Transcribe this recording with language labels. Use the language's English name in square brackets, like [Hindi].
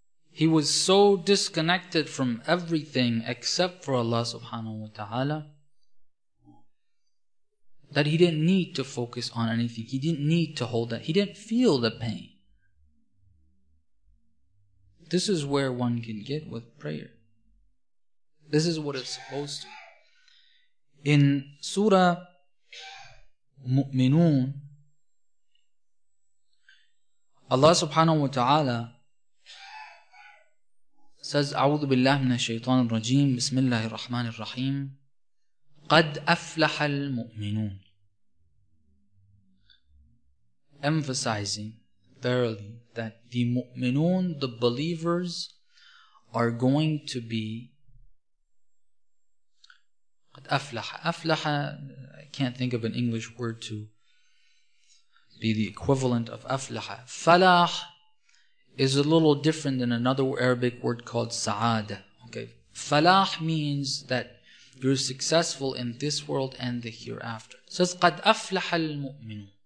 [English] He was so disconnected from everything except for Allah subhanahu wa ta'ala that he didn't need to focus on anything. He didn't need to hold that. He didn't feel the pain. This is where one can get with prayer. This is what it's supposed to. In Surah Mu'minun, Allah subhanahu wa ta'ala says, [Arabic] أَعُوذُ بِاللَّهِ مِنَ الشَّيْطَانِ الرَّجِيمِ بِسْمِ اللَّهِ الرَّحْمَنِ الرَّحِيمِ قَدْ أَفْلَحَ الْمُؤْمِنُونَ. [English] Emphasizing verily that the mu'minun, the believers, are going to be [Arabic] قَدْ أَفْلَحَ. [English] أَفْلَحَ, I can't think of an English word to be the equivalent of أَفْلَحَ. فَلَحَ is a little different than another Arabic word called sa'ada. Okay. Falah means that you're successful in this world and the hereafter. It says, [Arabic] قَدْ أَفْلَحَ الْمُؤْمِنُونَ.